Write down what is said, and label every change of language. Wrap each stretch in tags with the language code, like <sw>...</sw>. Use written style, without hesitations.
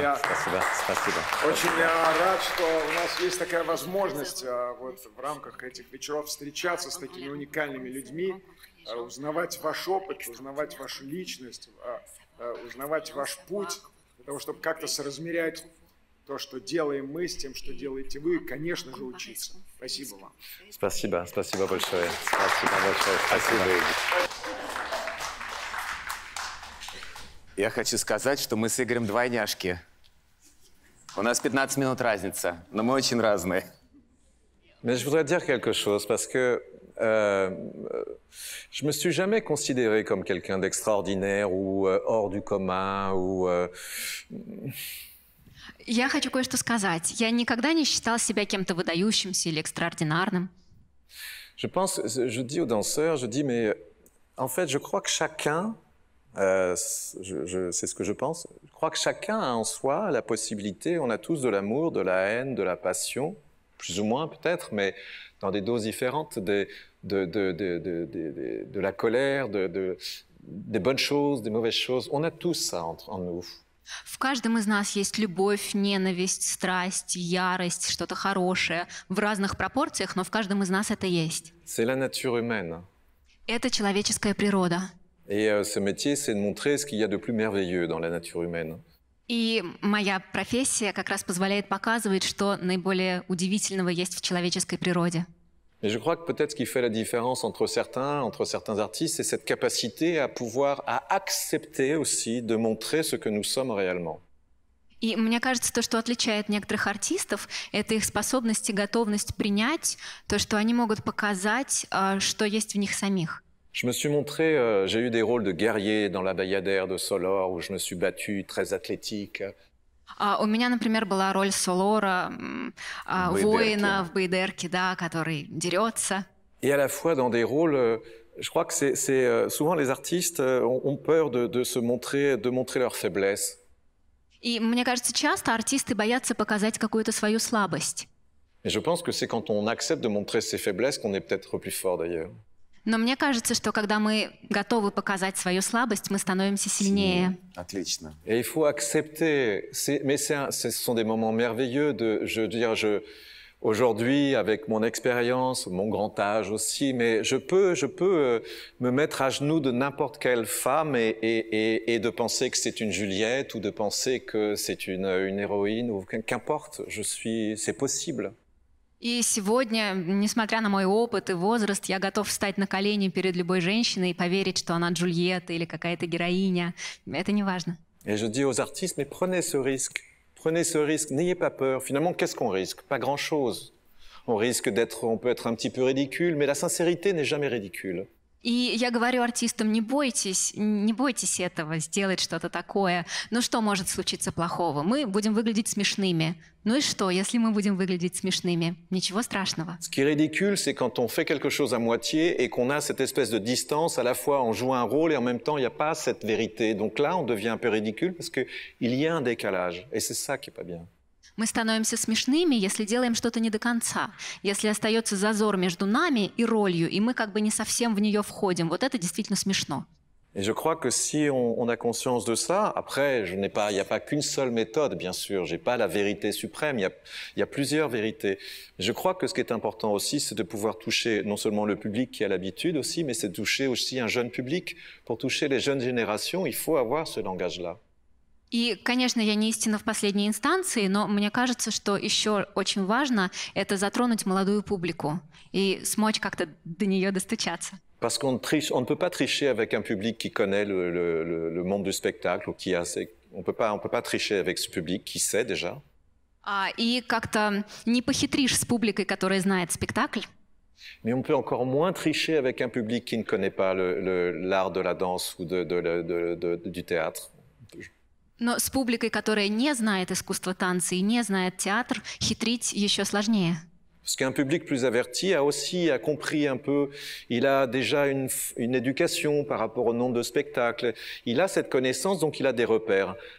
<ru>Я очень рад, что у нас есть такая возможность вот в рамках этих вечеров встречаться с такими уникальными людьми, узнавать ваш опыт, узнавать вашу личность, узнавать ваш путь, для того, чтобы как-то соразмерять то, что делаем мы с тем, что делаете вы, и, конечно же, учиться. Спасибо вам. Спасибо большое. Спасибо. Я хочу сказать, что мы с Игорем двойняшки. У нас 15 минут разница, но мы очень разные.</ru> <fr>Mais je voudrais dire quelque chose, parce que je ne me suis jamais considéré comme quelqu'un d'extraordinaire ou hors du commun.</fr> <ru>Я хочу кое-что сказать. Я никогда не считал себя кем-то выдающимся или экстраординарным.</ru> <fr>Je pense, je dis aux danseurs, je dis, mais en fait, je crois que chacun, c'est ce que je pense, je crois que chacun a en soi la possibilité, on a tous de l'amour, de la haine, de la passion, plus ou moins peut-être, mais dans des doses différentes, de la colère, des bonnes choses, des mauvaises choses, on a tous ça en nous.</fr> <ru>В каждом из нас есть любовь, ненависть, страсть, ярость, что-то хорошее. В разных пропорциях, но в каждом из нас это есть.</ru> <fr>C'est la nature humaine.</fr> <ru>Это человеческая природа.</ru> <fr>Et ce métier, c'est de montrer ce qu'il y a de plus merveilleux dans la nature humaine.</fr> <ru>И моя профессия как раз позволяет показывать, что наиболее удивительного есть в человеческой природе.</ru> <fr>Mais je crois que peut-être ce qui fait la différence entre certains artistes, c'est cette capacité à pouvoir à accepter aussi de montrer ce que nous sommes réellement.</fr> <ru>И мне кажется, то, что отличает некоторых артистов, это их способность и готовность принять то, что они могут показать, что есть в них самих.</ru> <fr>Je me suis montré, j'ai eu des rôles de guerrier dans la Bayadère de Solor, où je me suis battu très athlétique.</fr> <ru>У меня, например, была роль Солора, воина в Байдерке, да, который дерется. И</ru> <fr>à la fois dans des rôles, je crois que c'est souvent les artistes ont peur de montrer leur faiblesse.</fr> <ru>И мне кажется, часто артисты боятся показать какую-то свою слабость.</ru> <fr>Mais je pense que c'est quand on accepte de montrer ses faiblesses qu'on est peut-être plus fort d'ailleurs.</fr> <ru>Но мне кажется, что когда мы готовы показать свою слабость, мы становимся сильнее. Отлично.</ru> <fr>Et il faut accepter, ce sont des moments merveilleux de, je veux dire, aujourd'hui avec mon expérience, mon grand âge aussi, mais je peux me mettre à genoux de n'importe quelle femme et de penser que c'est une Juliette ou de penser que c'est une héroïne ou qu'importe, c'est possible.</fr> <ru>И сегодня, несмотря на мой опыт и возраст, я готов встать на колени перед любой женщиной и поверить, что она Джульетта или какая-то героиня. Это не важно.</ru> <fr>Et je dis aux artistes, mais prenez ce risque, n'ayez pas peur. Finalement, qu'est-ce qu'on risque? Pas grand-chose. On peut être un petit peu ridicule, mais la sincérité n'est jamais ridicule.</fr> <ru>И я говорю артистам, не бойтесь этого, сделать что-то такое. Ну что может случиться плохого? Мы будем выглядеть смешными. Ну и что, если мы будем выглядеть смешными? Ничего страшного.</ru> <fr>Ce qui est ridicule, c'est quand on fait quelque chose à moitié et qu'on a cette espèce de distance, à la fois on joue un rôle et en même temps il n'y a pas cette vérité. Donc là, on devient un peu ridicule parce qu'il y a un décalage. Et c'est ça qui n'est pas bien.</fr> <ru>Мы становимся смешными, если делаем что-то не до конца. Если остается зазор между нами и ролью, и мы как бы не совсем в нее входим. Вот это действительно смешно.</ru> <fr>Et je crois que si on a conscience de ça, après, il n'y a pas qu'une seule méthode, bien sûr. Je n'ai pas la vérité suprême, il y a plusieurs vérités. Je crois que ce qui est important aussi, c'est de pouvoir toucher non seulement le public qui a l'habitude aussi, mais c'est de toucher aussi un jeune public. Pour toucher les jeunes générations, il faut avoir ce langage-là.</fr> <ru>И, конечно, я не истина в последней инстанции, но мне кажется, что еще очень важно это затронуть молодую публику и смочь как-то до нее достучаться.</ru> <fr>Parce qu'on triche, on ne peut pas tricher avec un public qui connaît le monde du spectacle ou qui a, on peut pas tricher avec ce public qui sait déjà.</fr> <ru>И как-то не похитришь с публикой, которая знает спектакль.</ru> <fr>Mais on peut encore moins tricher avec un public qui ne connaît pas l'art de la danse ou du théâtre.</fr> <ru>Но с публикой, которая не знает искусство танца и не знает театр, хитрить еще сложнее.</ru> <fr>Parce qu'un public plus averti a aussi a compris un peu, il a déjà une éducation par rapport au nombre de spectacles, il a cette connaissance, donc il a des repères.</fr>